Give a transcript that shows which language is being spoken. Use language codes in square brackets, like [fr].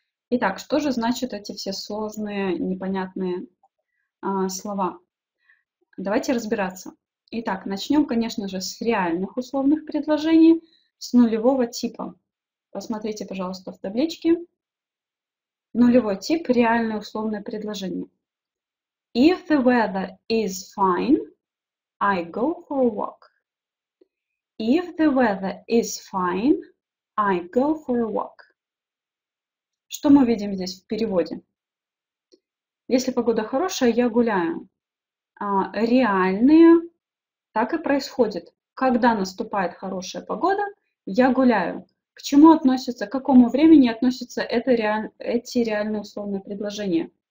[ru] Итак, что же значат эти все сложные, непонятные слова? Давайте разбираться. Итак, начнем, конечно же, с реальных условных предложений, с нулевого типа. Посмотрите, пожалуйста, в табличке. Нулевой тип, реальное условное предложение. [en] If the weather is fine, I go for a walk. If the weather is fine, I go for a walk. [ru] Что мы видим здесь в переводе? Если погода хорошая, я гуляю. Реальные так и происходит. Когда наступает хорошая погода, я гуляю. К чему относится, к какому времени относятся эти реальные условные предложения?